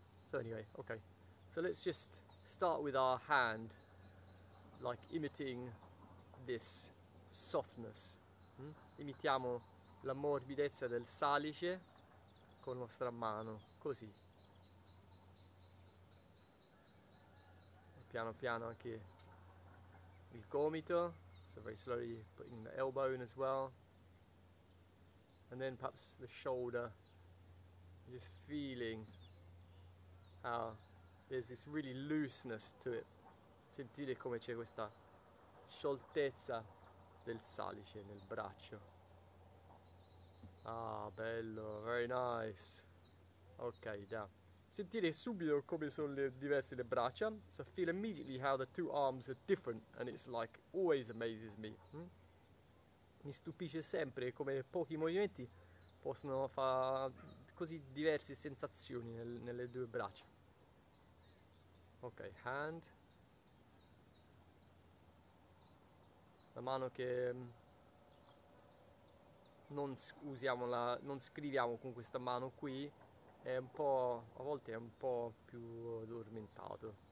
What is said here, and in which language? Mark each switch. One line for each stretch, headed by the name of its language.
English: So anyway, okay, so let's just start with our hand, like imitating this softness.
Italian: Imitiamo la morbidezza del salice con la nostra mano, così. Piano piano anche il gomito,
English: so very slowly putting the elbow in as well. And then perhaps the shoulder, just feeling how there's this really looseness to it.
Italian: Sentire come c'è questa scioltezza del salice nel braccio.
English: Ah, bello, very nice. Ok, da.
Italian: Sentire subito come sono diverse le braccia.
English: So feel immediately how the two arms are different, and it's like always amazes me.
Italian: Mi stupisce sempre come pochi movimenti possono fare così diverse sensazioni nelle due braccia. Ok, hand. La mano che non scriviamo con questa mano qui è un po', a volte è un po' più addormentato.